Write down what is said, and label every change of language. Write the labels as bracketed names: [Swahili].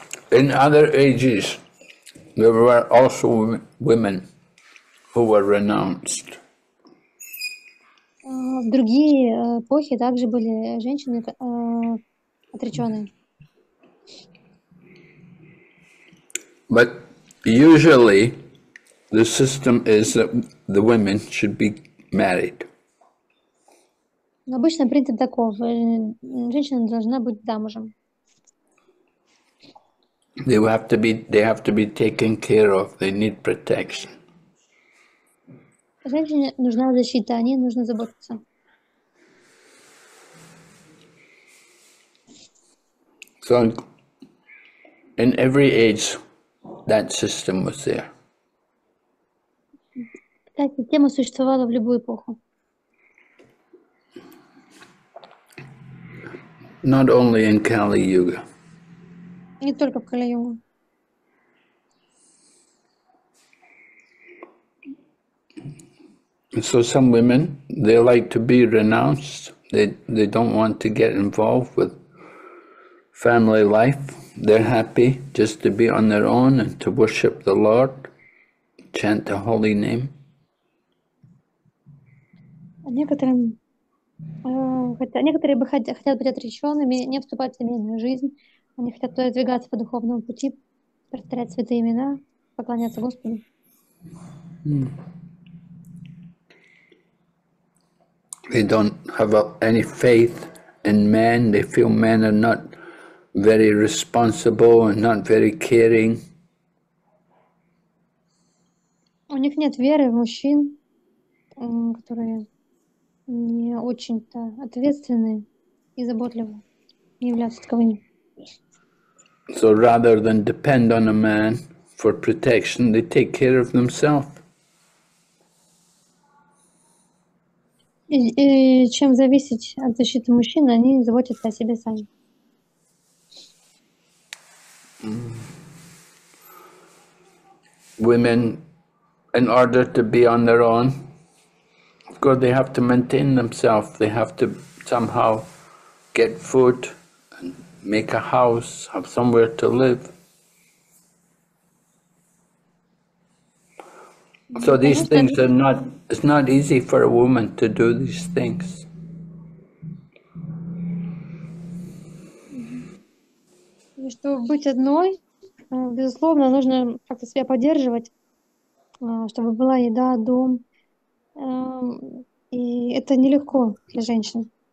[English] In other ages, there were also women who were renounced. [Russian] В другие эпохи также были женщины отреченные. [English] But usually the system is that the women should be married. [Russian] Обычно принцип таков: женщина должна быть замужем. [English] They have to be taken care of. They need protection. [Russian] Женщине нужна защита, о ней нужно заботиться. [English] So in every age, that system was there. [Russian] Так, система существовала в любую эпоху. [English] Not only in Kali Yuga. [Russian] Не только в Kali Yuga. [English] So some women, they like to be renounced. They don't want to get involved with family life. They're happy just to be on their own and to worship the Lord, chant the holy name. [Russian] Некоторые бы хотят быть отреченными, не вступать в семейную жизнь, Они хотят продвигаться по духовному пути, повторять святые имена, поклоняться Господу. [English] They don't have any faith in men. They feel men are not very responsible and not very caring. [Russian] У них нет веры в мужчин, которые не очень-то ответственны и заботливы, не являются таковыми. [English] So rather than depend on a man for protection, they take care of themselves. [Russian] И чем зависеть от защиты мужчин, они заботятся о себе сами. [English] Women, in order to be on their own, of course they have to maintain themselves. They have to somehow get food and make a house, have somewhere to live. So these things are not, it's not easy for a woman to do these things. [Russian] И чтобы быть одной, безусловно, нужно как-то себя поддерживать, чтобы была еда, дом. И это нелегко для женщин.